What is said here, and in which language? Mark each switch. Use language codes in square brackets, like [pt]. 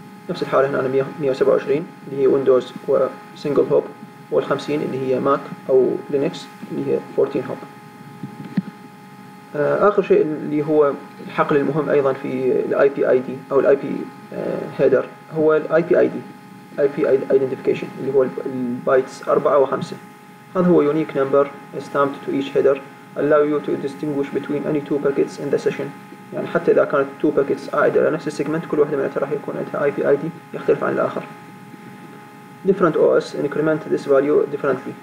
[ar] نفس الحالة هنا 127 اللي هي ويندوز وسنجل هوب والخمسين اللي هي ماك أو لينكس اللي هي 14 هوب. آخر شيء اللي هو الحقل المهم أيضا في الIP ID أو الIP header هو الIP ID IP identification اللي هو البايتس 4 و 5. هذا هو [en] unique number stamped to each header allow you to distinguish between any two packets in the session. [ar] يعني حتى إذا كانت two packets عائدة لنفس السيجمنت كل واحدة منها راح يكون عندها IP ID يختلف عن الآخر. [en] Different OS increment this value differently.